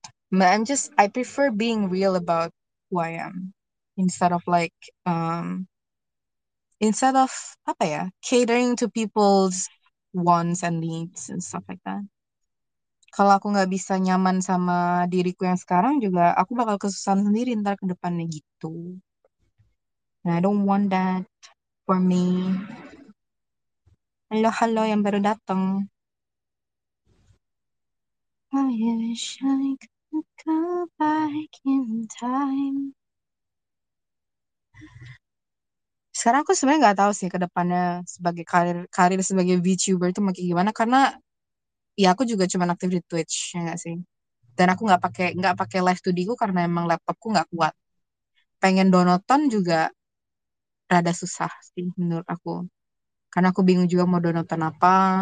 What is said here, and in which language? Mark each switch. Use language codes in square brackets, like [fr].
[en] But I prefer being real about who I am instead of like instead of [id] apa ya, [en] catering to people's wants and needs and stuff like that. [id] Kalau aku nggak bisa nyaman sama diriku yang sekarang juga, aku bakal kesusahan sendiri ntar ke depannya gitu. [en] And I don't want that for me. [id] Halo, halo yang baru datang. [en] I wish I could go back in time. [id] Sekarang aku sebenarnya nggak tahu sih ke depannya sebagai karir karir sebagai VTuber itu makin gimana karena ya aku juga cuma aktif di Twitch ya gak sih dan aku nggak pakai live studio karena emang laptopku nggak kuat pengen donaton juga rada susah sih menurut aku karena aku bingung juga mau donaton apa